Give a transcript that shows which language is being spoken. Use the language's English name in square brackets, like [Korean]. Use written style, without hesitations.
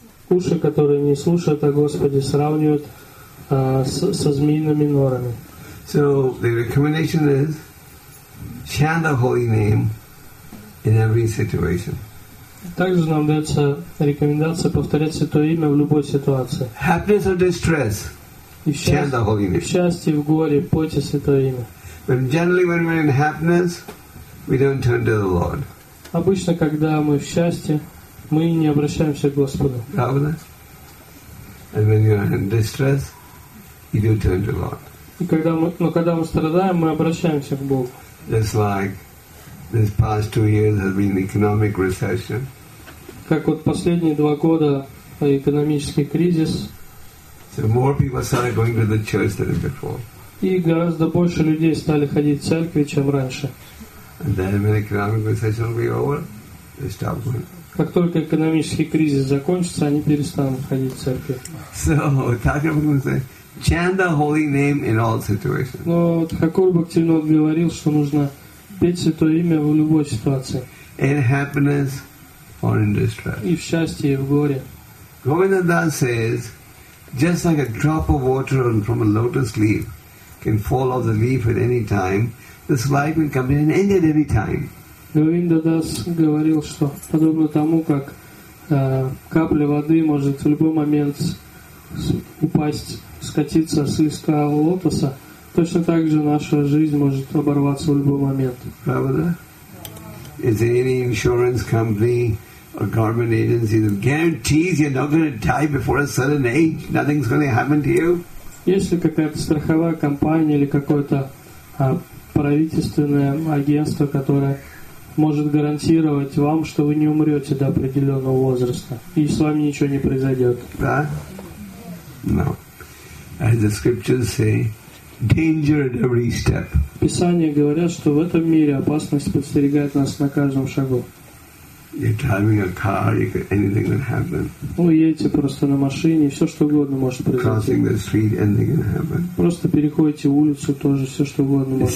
[Russian] Уши, которые не слушают о Господе, сравнивают со змеиными норами. [English] So the recommendation is chant the holy name in every situation. [Russian] Также нам дается рекомендация повторять Святое имя в любой ситуации. [English] Happiness or distress, chant the holy name. [Russian] В счастье, в горе, пойте Святое имя. [English] But generally when we're in happiness, we don't turn to the Lord. [Russian] Обычно, когда мы в счастье, мы не обращаемся к Господу. Правда? [English] And when you are in distress, you do turn to God. [Russian] Но когда мы страдаем, мы обращаемся к Богу. [English] Just like this past 2 years has been economic recession. [Russian] Как вот последние 2 года экономический кризис. [English] So more people started going to the church than before. [Russian] И гораздо больше людей стали ходить в церкви, чем раньше. [English] And then when economic recession will be over, they stop going. [Russian] Как только экономический кризис закончится, они перестанут ходить в церковь. [English] So, Thakur Bhagavan said, chant the holy name in all situations. [Russian] Но Thakur Bhaktivinoda вот говорил, что нужно петь Святое имя в любой ситуации. [English] In happiness or in distress. [Russian] И в счастье, и в горе. [English] Govindadas says, just like a drop of water from a lotus leaf can fall off the leaf at any time, this life will come to an end at any time. [Russian] Говиндадас говорил, что подобно тому, как капля воды может в любой момент упасть, скатиться с листа лотоса, точно так же наша жизнь может оборваться в любой момент. Правда? [English] Is there any insurance company or government agency that guarantees you're not going to die before a certain age? Nothing's going to happen to you? [Russian] Есть ли какая-то страховая компания или какое-то правительственное агентство, которое может гарантировать вам, что вы не умрете до определенного возраста, и с вами ничего не произойдет. Да? No. [English] As the scriptures say, danger at every step. [Russian] Писания говорят, что в этом мире опасность подстерегает нас на каждом шагу. [English] You're driving a car, anything can happen. [Russian] Вы едете просто на машине, все что угодно может произойти. [English] Crossing the street, anything can happen. [Russian] Просто переходите улицу, тоже все что угодно может